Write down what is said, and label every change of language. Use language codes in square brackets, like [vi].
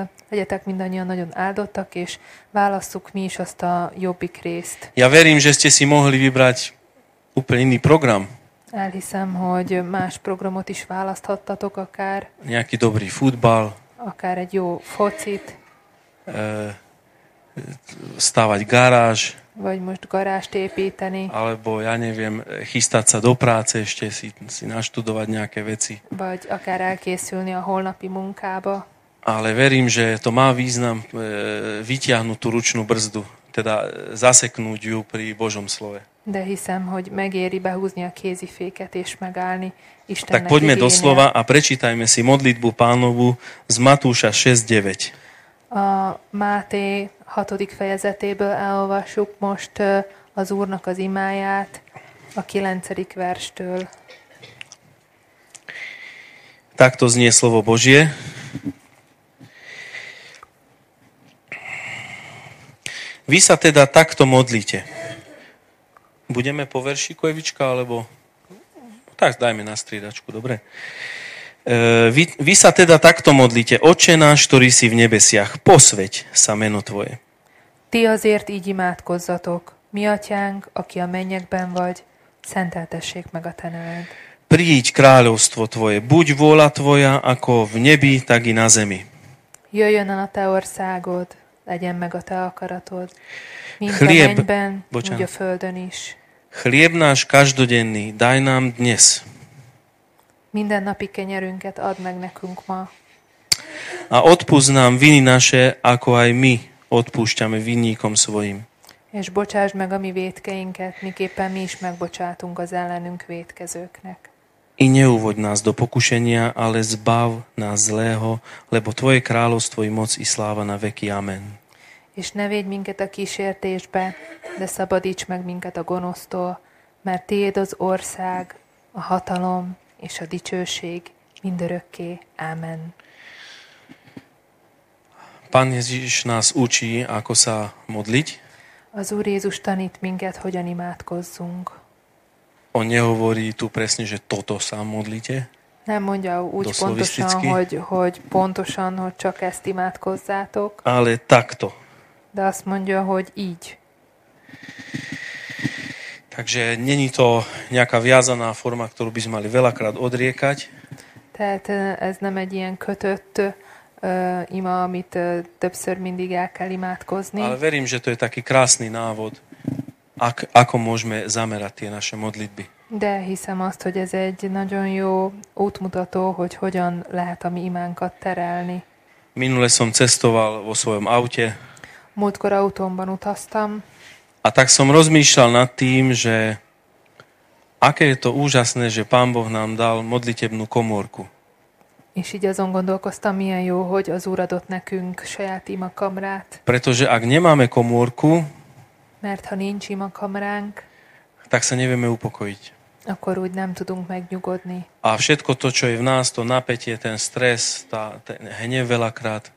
[hu] Legyetek mindannyian nagyon áldottak, és válasszuk mi is azt a jobbik részt. [sk] Ja verím, že ste si mohli vybrať úplne iný program. [hu] Elhiszem, hogy más programot is választhattatok akár. [sk] Nejaký dobrý futbal. [hu] Akár egy jó focit. [sk] Stávať garáž. [hu] Vagy most garážt építeni. [sk] Alebo, ja neviem, chystať sa do práce, ešte si naštudovať nejaké veci. [hu] Vagy akár elkészülni a holnapi munkába. [sk] Ale verím, že to má význam vytiahnuť tú ručnú brzdu, teda zaseknúť ju pri Božom slove. [hu] De hiszem, hogy megéri behúzni a kéziféket és megállni Istennek. [sk] Tak poďme do slova a prečítajme si modlitbu Pánovu z Matúša 6:9. [hu] A Máté 6. fejezetéből elolvassuk most az Úrnak az imáját a 9. verstől. [sk] Takto znie slovo Božie. Vy sa teda takto modlíte. Budeme po verši, Kojevička, alebo... Tak, dajme na striedačku, dobre. Vy sa teda takto modlite. Oče náš, ktorý si v nebesiach, posveť sa meno tvoje. [hu] Ty azért így imádkozzatok. Mi atyánk, aki a mennyekben vagy, szenteltessék meg a te neved. [sk] Príď kráľovstvo tvoje, buď vôľa tvoja, ako v nebi, tak i na zemi. [hu] Jöjjön a te országod, legyen meg a te akaratod, mint chlieb, a mennyben, úgy a földön is. [sk] Chlieb náš každodenný, daj nám dnes. [hu] Minden napi kenyerünket add meg nekünk ma. [sk] A odpusz nám viny naše, ako aj my odpúšťame vinníkom svojim. [hu] És bocsásd meg a mi vétkeinket, miképpen mi is megbocsátunk az ellenünk vétkezőknek. [sk] I neuvoď nás do pokušenia, ale zbav nás zlého, lebo Tvoje kráľovstvo i moc i sláva na veky. Amen. [hu] És ne védj minket a kísértésbe, de szabadíts meg minket a gonosztól, mert Tiéd az ország, a hatalom és a dicsőség mindörökké. Amen. [sk] Pán Jézus nás učí, ako sa modliť. [hu] Az Úr Jézus tanít minket, hogyan imádkozzunk. [sk] On nehovorí tu presne, že toto sa modlite. [hu] Nem mondja úgy pontosan, hogy pontosan, hogy csak ezt imádkozzátok. [sk] Ale takto. [hu] De azt mondja, hogy így. [sk] Takže není to nejaká viazaná forma, ktorú by sme mali veľakrát odriekať. [hu] Tehát ez nem egy ilyen kötött ima, amit többször mindig el kell imádkozni. [sk] Ale verím, že to je taký krásny návod, ako môžeme zamerať tie naše modlitby. [hu] De hiszem azt, hogy ez egy nagyon jó útmutató, hogy hogyan lehet a mi imánkat terelni. [sk] Minule som cestoval vo svojom aute. [hu] Múltkor autómban utaztam. [sk] A tak som rozmýšľal nad tým, že aké je to úžasné, že Pán Boh nám dal modlitebnú komórku. [hu] És így azon gondolkoztam, milyen jó, hogy az Úr adott nekünk saját imakamrát. [sk] Pretože ak nemáme komórku, [hu] mert ha nincs imakamránk, [sk] tak sa nevieme upokojiť. [hu] Akkor úgy nem tudunk megnyugodni. [sk] A všetko to, čo je v nás, to napätie, ten stres, ten hnev veľakrát.